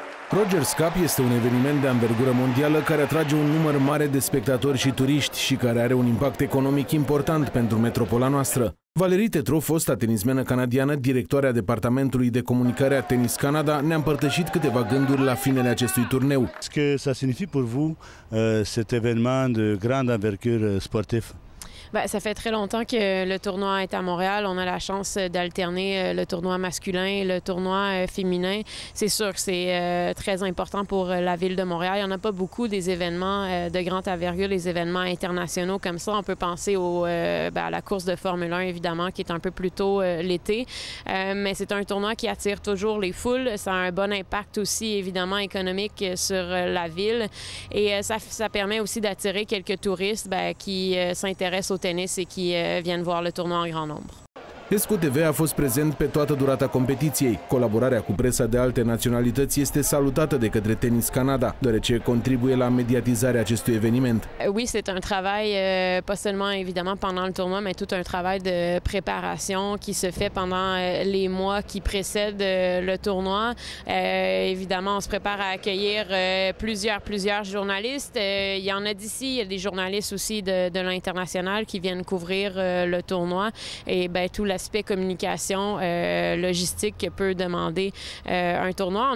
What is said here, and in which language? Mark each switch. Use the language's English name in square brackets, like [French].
[Romanian] Rogers Cup este un eveniment de anvergură mondială care atrage un număr mare de spectatori și turiști și care are un impact economic important pentru metropola noastră. Valerie Tetrault, fosta tenismenă canadiană, directoarea Departamentului de Comunicare a Tennis Canada, ne-a împărtășit câteva gânduri la finele acestui turneu. [French] Ce que ça signifie pour vous cet événement de grande envergure sportive? Ben, ça fait très longtemps que le tournoi est à Montréal. On a la chance d'alterner le tournoi masculin et le tournoi féminin. C'est sûr que c'est très important pour la ville de Montréal. Il n'y en a pas beaucoup des événements de grande envergure, des événements internationaux comme ça. On peut penser au, à la course de Formule 1, évidemment, qui est un peu plus tôt l'été. Mais c'est un tournoi qui attire toujours les foules. Ça a un bon impact aussi, évidemment, économique sur la ville. Et ça permet aussi d'attirer quelques touristes qui s'intéressent au tennis et qui viennent voir le tournoi en grand nombre. [Romanian] SQTV a fost prezent pe toată durata competiției. Colaborarea cu presa de alte naționalități este salutată de către Tennis Canada, deoarece contribuie la mediatizarea acestui eveniment. [French] Oui, c'est un travail pas seulement évidemment pendant le tournoi, mais tout un travail de préparation qui se fait pendant les mois qui précèdent le tournoi. Évidemment, on se prépare à accueillir plusieurs journalistes. Il y en a d'ici, il y a des journalistes aussi de l'international qui viennent couvrir le tournoi et tout l'aspect communication logistique que peut demander un tournoi.